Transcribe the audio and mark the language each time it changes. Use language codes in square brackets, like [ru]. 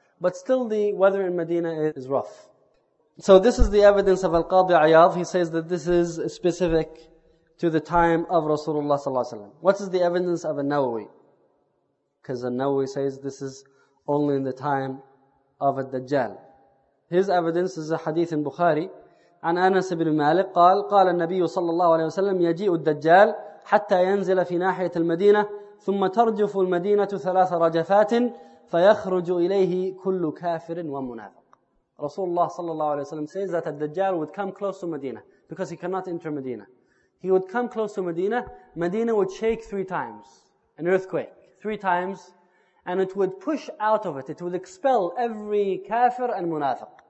[en] But still the weather in Medina is rough. So this is the evidence of Al-Qadi Ayyad. He says that this is specific to the time of Rasulullah ﷺ. What is the evidence of An-Nawawi? Because An-Nawawi says this is only in the time of Ad-Dajjal. His evidence is a hadith in Bukhari. [ar] عن أنس بن مالك قال قال النبي صلى الله عليه وسلم يجيء الدجال حتى ينزل في ناحية المدينة ثم ترجف المدينة ثلاث رجفات فيخرج إليه كل كافر ومنافق. [en] رسول الله صلى الله عليه وسلم says that الدجال would come close to Medina because he cannot enter Medina. He would come close to Medina. Medina would shake three times, an earthquake, three times, and it would push out of it. It would expel every kafir and munafiq.